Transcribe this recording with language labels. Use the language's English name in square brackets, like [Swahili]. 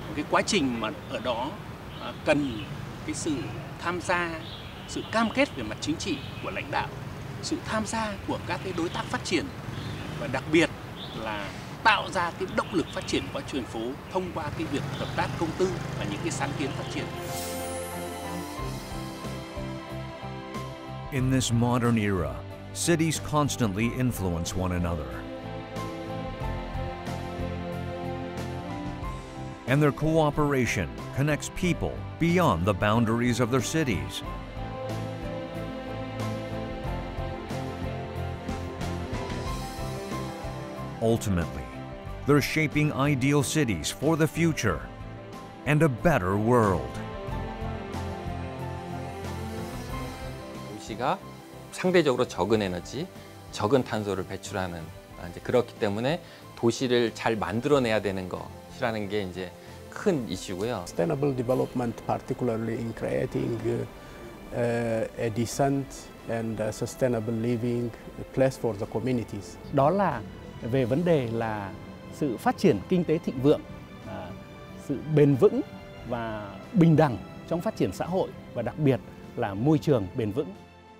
[Vietnamese] Cái quá trình mà ở đó cần cái sự tham gia, sự cam kết về mặt chính trị của lãnh đạo, sự tham gia của các cái đối tác phát triển và đặc biệt là tạo ra cái động lực phát triển của thành phố thông qua cái việc hợp tác công tư và những cái sáng kiến phát triển. [English] In this modern era, cities constantly influence one another. and their cooperation connects people beyond the boundaries of their cities. Ultimately, they're shaping ideal cities for the future and a better world. [Korean] 도시가 상대적으로 적은 에너지, 적은 탄소를 배출하는 이제 그렇기 때문에 도시를 잘 만들어내야 되는 것이라는 게 이제 큰 이슈고요. [English] Sustainable development, particularly in creating a decent and sustainable living place for the communities. [Vietnamese] Đó là về vấn đề là sự phát triển kinh tế thịnh vượng, sự bền vững và bình đẳng trong phát triển xã hội và đặc biệt là môi trường bền vững.